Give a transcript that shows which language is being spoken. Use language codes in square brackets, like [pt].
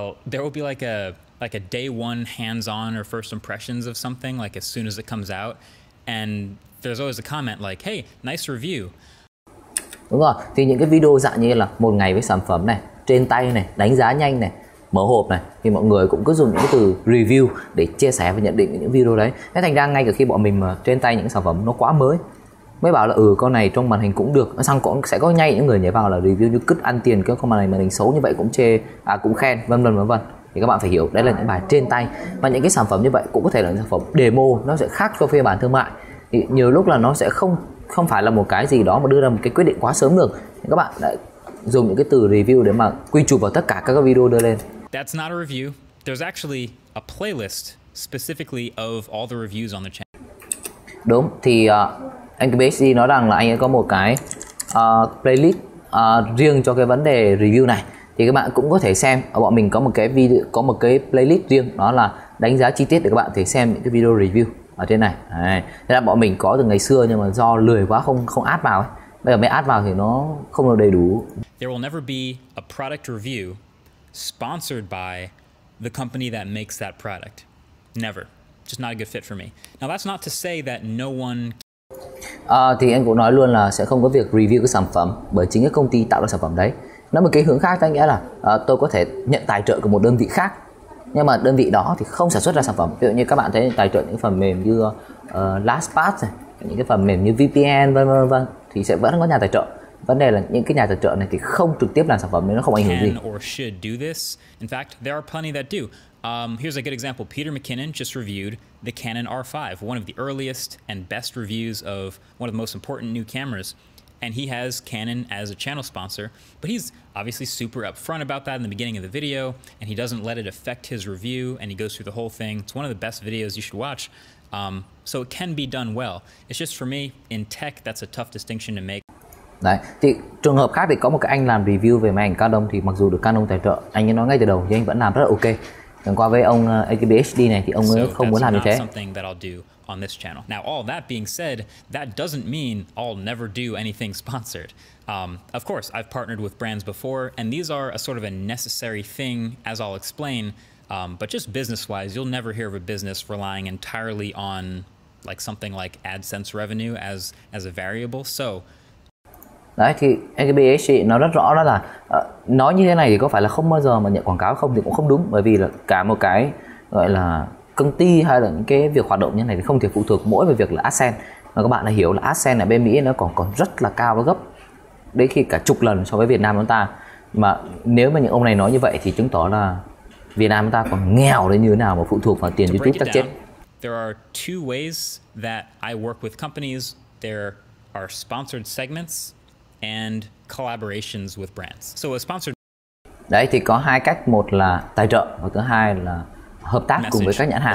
[en] There will be like a day one hands-on or first impressions of something, like as soon as it comes out, and there's always a comment like, hey, nice review. [vi] Đúng rồi, thì những cái video dạng như là một ngày với sản phẩm này, trên tay này, đánh giá nhanh này, mở hộp này, thì mọi người cũng cứ dùng những cái từ review để chia sẻ và nhận định những video đấy. Thế thành ra ngay cả khi bọn mình mà trên tay những sản phẩm nó quá mới bảo là con này trong màn hình cũng được, xong cũng sẽ có ngay những người nhảy vào là review như cứt ăn tiền, cái con màn hình xấu như vậy cũng chê, cũng khen, vân vân vân vân. Thì các bạn phải hiểu đấy là những bài trên tay, và những cái sản phẩm như vậy cũng có thể là những sản phẩm demo, nó sẽ khác cho phiên bản thương mại, thì nhiều lúc là nó sẽ không phải là một cái gì đó mà đưa ra một cái quyết định quá sớm được. Thì các bạn lại dùng những cái từ review để mà quy chụp vào tất cả các video đưa lên. [en] That's not a review, there's actually a playlist specifically of all the reviews on the channel. [vi] Đúng, thì anh KBHD nói rằng là anh ấy có một cái playlist riêng cho cái vấn đề review này. Thì các bạn cũng có thể xem, bọn mình có một cái video, có một cái playlist riêng, đó là đánh giá chi tiết để các bạn có thể xem những cái video review ở trên này. Đấy. Thế là bọn mình có từ ngày xưa nhưng mà do lười quá không add vào ấy. Bây giờ mới add vào thì nó không được đầy đủ. [en] There will never be a product review sponsored by the company that makes that product. Never. Just not a good fit for me. Now that's not to say that no one. [vi] Thì anh cũng nói luôn là sẽ không có việc review cái sản phẩm bởi chính cái công ty tạo ra sản phẩm đấy. Nói một cái hướng khác, ta nghĩa là tôi có thể nhận tài trợ của một đơn vị khác, nhưng mà đơn vị đó thì không sản xuất ra sản phẩm. Ví dụ như các bạn thấy tài trợ những phần mềm như LastPass này, những cái phần mềm như VPN vân vân vân, thì sẽ vẫn có nhà tài trợ. Vấn đề là những cái nhà tài trợ này thì không trực tiếp làm sản phẩm nên nó không ảnh hưởng gì. [en] Or should do this. In fact, there are plenty that do. Here's a good example. Peter McKinnon just reviewed the Canon R5, one of the earliest and best reviews of one of the most important new cameras. And he has Canon as a channel sponsor, but he's obviously super upfront about that in the beginning of the video, and he doesn't let it affect his review, and he goes through the whole thing. It's one of the best videos you should watch. So it can be done well. It's just for me, in tech, that's a tough distinction to make. [vi] Đấy, thì trường hợp khác thì có một cái anh làm review về máy ảnh Canon thì mặc dù được Canon tài trợ, anh ấy nói ngay từ đầu thì anh vẫn làm rất là ok. Còn qua với ông AKBHD này thì ông ấy không muốn làm như thế. [en] Something that I'll do on this channel. Now, all that being said, that doesn't mean I'll never do anything sponsored. Of course, I've partnered with brands before, and these are a sort of a necessary thing, as I'll explain. But just business-wise, you'll never hear of a business relying entirely on like something like AdSense revenue as a variable. So. [vi] Đấy thì AKBHD nó rất rõ đó là nói như thế này thì có phải là không bao giờ mà nhận quảng cáo không thì cũng không đúng, bởi vì là cả một cái gọi là công ty hay là những cái việc hoạt động như thế này thì không thể phụ thuộc mỗi về việc là AdSense, mà các bạn đã hiểu là AdSense ở bên Mỹ nó còn rất là cao, nó gấp đến khi cả chục lần so với Việt Nam chúng ta. Mà nếu mà những ông này nói như vậy thì chứng tỏ là Việt Nam chúng ta còn nghèo đến như thế nào mà phụ thuộc vào tiền YouTube chắc chết. [en] There are two ways that I work with companies. There are sponsored segments and collaborations with brands. So a sponsored. [vi] Đấy thì có hai cách, một là tài trợ và thứ hai là hợp tác message cùng với các nhãn hàng.